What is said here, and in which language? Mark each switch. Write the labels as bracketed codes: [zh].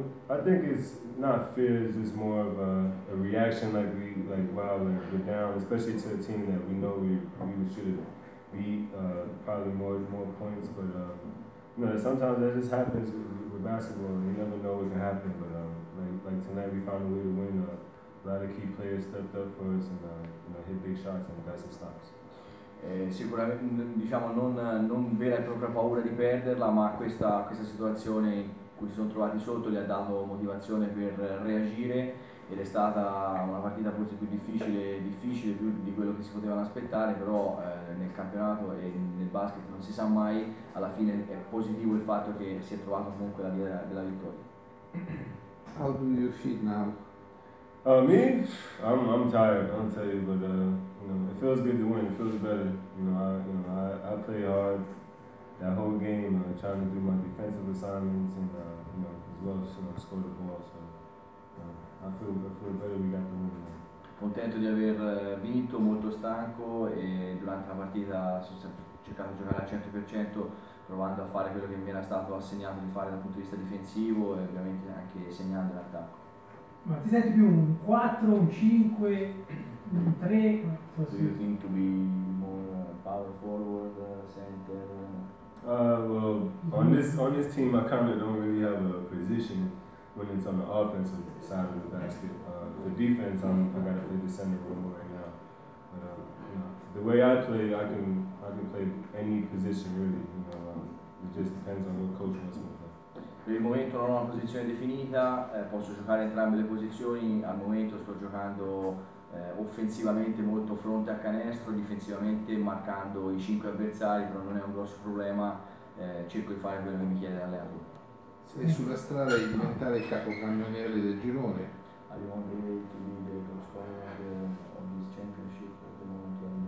[en] I think it's not fear, it's just more of a reaction, like we, like while we're down, especially to a team that we know we should have beat probably more points, but you know, sometimes that just happens with basketball, and you never know what can happen, but like tonight we found a way to win, a lot of key players stepped up for us and you know, hit big shots and got some stops. [it] Sicuramente, diciamo, non vera e propria paura di perderla, ma questa situazione cui si sono trovati sotto gli ha dato motivazione per reagire ed è stata una partita forse più difficile più di quello che si potevano aspettare, però nel campionato e nel basket non si sa mai, alla fine è positivo il fatto che si è trovato comunque la via della vittoria. [en] How do you feel now? Me? I'm tired, I'll tell you, but you know, it feels good to win, it feels better. You know, I play hard. That whole game, trying to do my defensive assignments and you know, as well as score the ball. So I feel better we got the win. [it] Contento di aver vinto, molto stanco e durante la partita sono cercato di giocare al 100%, provando a fare quello che mi era stato assegnato di fare dal punto di vista difensivo e ovviamente anche segnando l'attacco. Ma ti senti più un 4, un 5, un 3? [en] Do you think to be more power forward, center? Well, on this team, I kind of don't really have a position when it's on the offensive side of the basket. For defense, I got to play the center role right now. But you know, the way I play, I can play any position really. You know, it just depends on what coach wants me to play. [it] Per il momento non ho una posizione definita. Posso giocare entrambe le posizioni. Al momento sto giocando offensivamente molto fronte a canestro, difensivamente marcando i 5 avversari, però non è un grosso problema, cerco di fare quello che mi chiede l'allenatore. Sei sulla strada di diventare il capocannoniere del girone? [en] I want to be the top scorer of this championship at the moment.